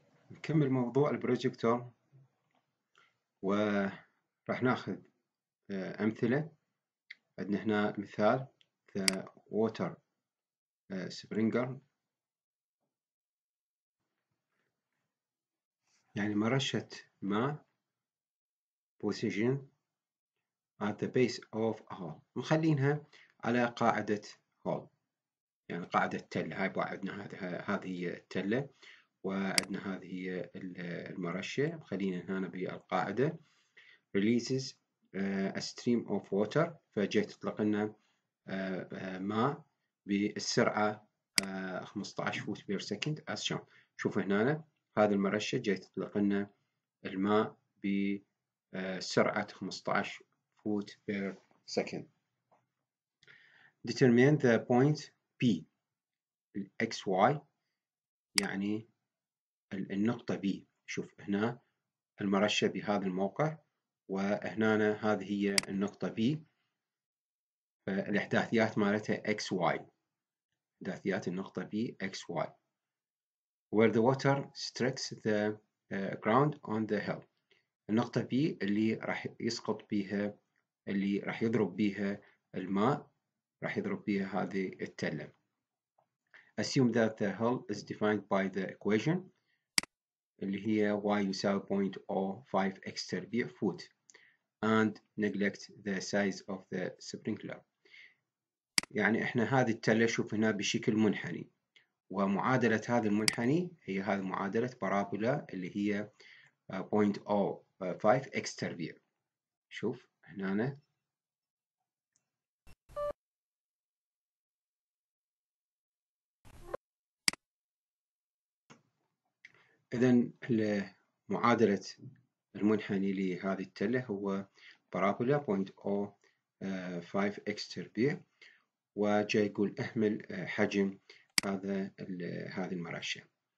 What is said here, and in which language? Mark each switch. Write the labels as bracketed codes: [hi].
[ar] نكمل موضوع البروجيكتور، وراح ناخذ أمثلة. عندنا هنا مثال The Water Sprinkler، يعني مرشة ماء. [en] Position at the base of a hole، [ar] مخلينها على قاعدة hole، يعني قاعدة تلة. هاي بوعدنا هذه هي التلة، وعندنا هذه هي المرشة، خلينا هنا بالقاعدة. [en] Releases a stream of water، [ar] فجاي تطلق لنا ماء بالسرعة 15 [en] Foot per second as shown. [ar] شوف هنا هذه المرشة جاي تطلق لنا الماء بسرعة 15 فوت بير سكند. [en] Determine the point P، [ar] الـ XY يعني النقطة B. شوف هنا المرشة بهذا الموقع، وهنا هذه هي النقطة B، فالإحداثيات مالتها XY، إحداثيات النقطة B XY. [en] Where the water strikes the ground on the hill، [ar] النقطة B اللي راح يسقط بها، اللي راح يضرب بها الماء، راح يضرب بها هذه التلة. [en] Assume that the hull is defined by the equation [ar] اللي هي y يساوي 0.05 x تربيع فوت، [en] and neglect the size of the sprinkler. [ar] يعني احنا هذه التلة شوف هنا بشكل منحني، ومعادلة هذا المنحني هي هذه معادلة بارابولا اللي هي 0.05 x تربيع. شوف هنا إذن معادلة المنحني لهذه التلة هو بارابولا 0.05 x تربيع، وجاي يقول احمل حجم هذه المرشة.